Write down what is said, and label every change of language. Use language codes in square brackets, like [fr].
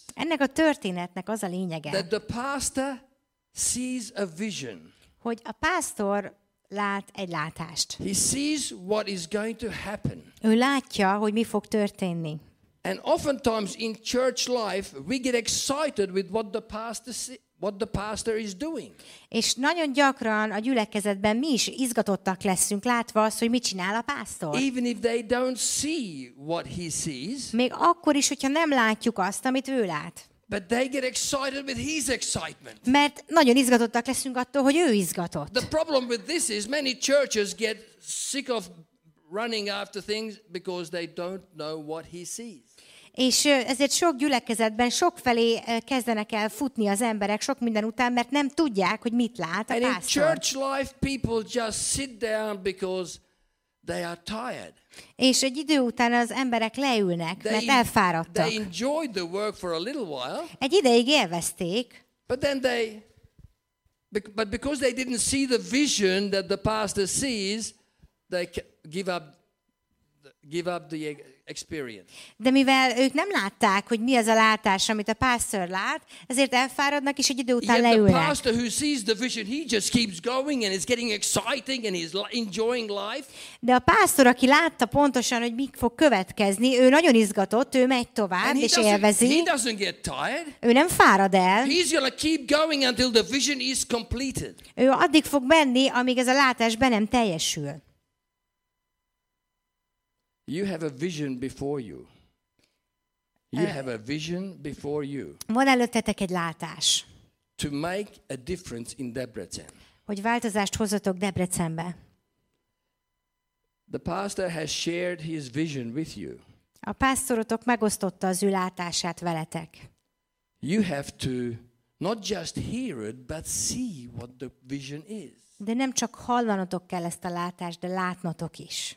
[hu] Ennek a történetnek az a lényege. [en] That the pastor sees a vision. [hu] Hogy a pásztor lát egy látást. [en] He sees what is going to happen. [hu] Ő látja, hogy mi fog történni. [en] And oftentimes in church life we get excited with what the pastor is doing. [hu] És nagyon gyakran a gyülekezetben mi is izgatottak leszünk látva azt, hogy mit csinál a pásztor. [en] Even if they don't see what he sees. [hu] Még akkor is, hogyha nem látjuk azt, amit ő lát. [en] But they get excited with his excitement. [hu] Mert nagyon izgatottak leszünk attól, hogy ő izgatott. [en] The problem with this is many churches get sick of running after things because they don't know what he sees. [hu] És ezért sok gyülekezetben sokfelé kezdenek el futni az emberek sok minden után, mert nem tudják, hogy mit lát a pásztor. [en] And in church life people just sit down because they are tired. [hu] És egy idő után az emberek leülnek, mert [en] they, [hu] elfáradtak. [en] They enjoyed the work for a little while. [hu] Egy ideig élvezték. [en] But then because they didn't see the vision that the pastor sees, they give up the experience. [hu] De mivel ők nem látták, hogy mi az a látás, amit a pásztor lát, ezért elfáradnak és egy idő után leülnek. [en] The pastor who sees the vision, he just keeps going and it's getting exciting and he's enjoying life. [hu] De a pásztor, aki látta pontosan, hogy mi fog következni, ő nagyon izgatott, ő megy tovább és élvezi. [en] He doesn't get tired. [hu] Ő nem fárad el. [en] He's gonna keep going until the vision is completed. [hu] Ő addig fog menni, amíg ez a látás be nem teljesül. [en] You have a vision before you. You have a vision before you. [hu] Van előttetek egy látás. [en] To make a difference in Debrecen. [hu] Hogy változást hozzatok Debrecenbe. [en] The pastor has shared his vision with you. [hu] A pásztorotok megosztotta az ő látását veletek. [en] You have to not just hear it, but see what the vision is. [hu] De nem csak hallanatok kell ezt a látást, de látnotok is.